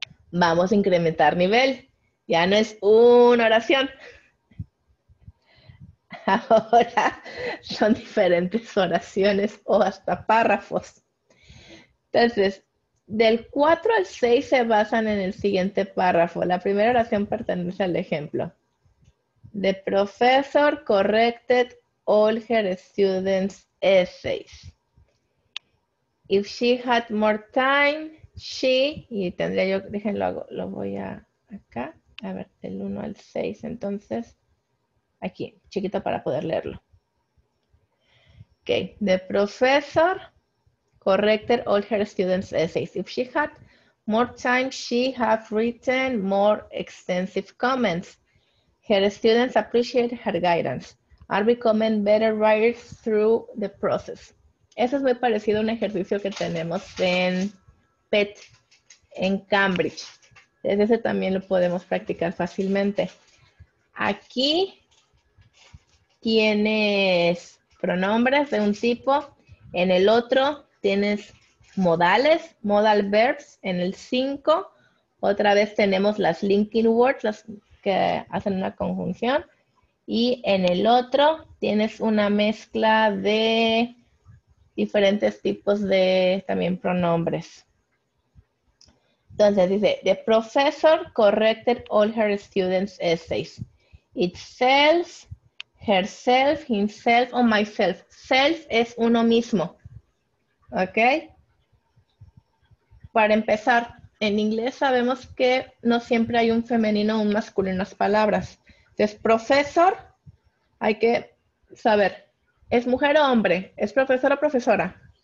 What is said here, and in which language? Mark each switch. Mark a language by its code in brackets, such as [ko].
[es] Vamos a incrementar nivel. Ya no es una oración. Ahora son diferentes oraciones o hasta párrafos. Entonces, del 4 al 6 se basan en el siguiente párrafo. La primera oración pertenece al ejemplo. [en] The professor corrected all her students' essays. If she had more time, she, [es] y tendría yo, déjenlo, hago, lo voy a acá, a ver, del 1 al 6, entonces, aquí, chiquito para poder leerlo. [en] Ok, the professor corrected all her students' essays. If she had more time, she have written more extensive comments. Her students appreciate her guidance, are becoming better writers through the process. [es] Eso es muy parecido a un ejercicio que tenemos en PET, en Cambridge. Desde ese también lo podemos practicar fácilmente. Aquí tienes pronombres de un tipo. En el otro tienes modales, modal verbs. En el 5, Otra vez tenemos las linking words, las que hacen una conjunción. Y en el otro tienes una mezcla de diferentes tipos de también pronombres. Entonces dice, [en] the professor corrected all her students' essays. Itself, herself, himself, or myself. [es] Self es uno mismo. ¿Ok? Para empezar, en inglés sabemos que no siempre hay un femenino o un masculino en las palabras. Entonces, profesor, hay que saber, ¿es mujer o hombre? ¿Es profesor o profesora?